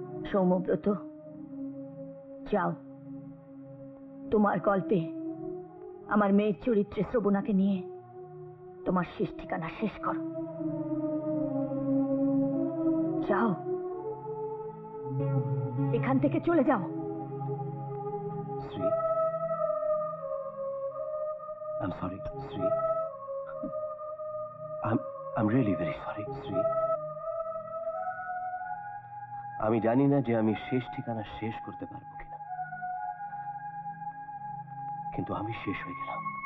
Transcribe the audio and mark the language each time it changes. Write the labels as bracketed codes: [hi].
[bn] সৌম্যব্রত যাও, তোমার গল্পে আমার মেয়ের চরিত্রে শ্রবণাকে নিয়ে তোমার শেষ ঠিকানা শেষ করো, যাও এখান থেকে চলে যাও। [en] Sri, I'm sorry, Sri. I'm really very sorry, Sri. [bn] আমি জানি না যে আমি শেষ ঠিকানা শেষ করতে পারবো কিনা, কিন্তু আমি শেষ হয়ে গেলাম।